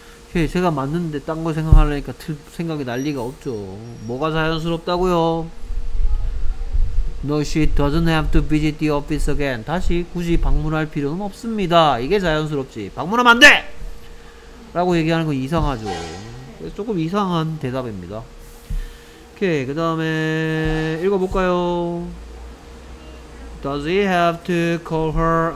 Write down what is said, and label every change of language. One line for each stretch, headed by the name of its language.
Korean: 오케이, 제가 맞는데 딴 거 생각하려니까 생각이 난리가 없죠. 뭐가 자연스럽다고요?
English: No, she doesn't have to visit the office again.
Korean: 다시 굳이 방문할 필요는 없습니다. 이게 자연스럽지. 방문하면 안 돼! 라고 얘기하는 건 이상하죠. 조금 이상한 대답입니다. 오케이, 그 다음에 읽어볼까요?
English: Does he have to call her?